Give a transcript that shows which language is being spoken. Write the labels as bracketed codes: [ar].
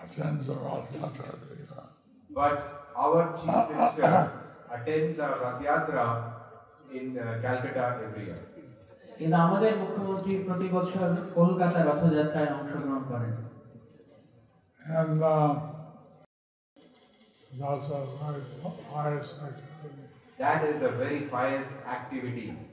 [en] But our Chief Minister attends a Rath Yatra in Calcutta every year. [bn] কিন্তু আমাদের মুখ্যমন্ত্রী প্রতি বছর কলকাতা রথযাত্রায় অংশগ্রহণ করেন. [en] And that's a very pious activity. That is a very pious activity.